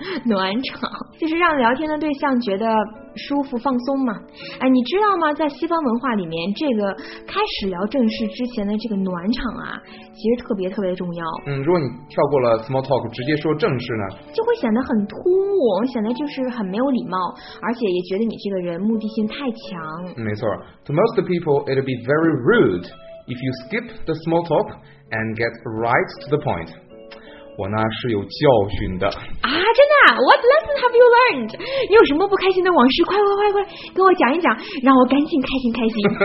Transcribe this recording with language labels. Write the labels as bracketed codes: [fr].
[zh] 暖场就是让聊天的对象觉得舒服放松嘛。哎，你知道吗？在西方文化里面，这个开始聊正事之前的这个暖场啊，其实特别特别重要。如果你跳过了 small talk， 直接说正事呢，就会显得很突兀，显得就是很没有礼貌，而且也觉得你这个人目的性太强。没错 [en] ，to most people it'd be very rude if you skip the small talk and get right to the point。 [zh] 我呢是有教训的啊，真的啊。 [en] What lesson have you learned? [zh] 你有什么不开心的往事，快跟我讲一讲，让我赶紧开心。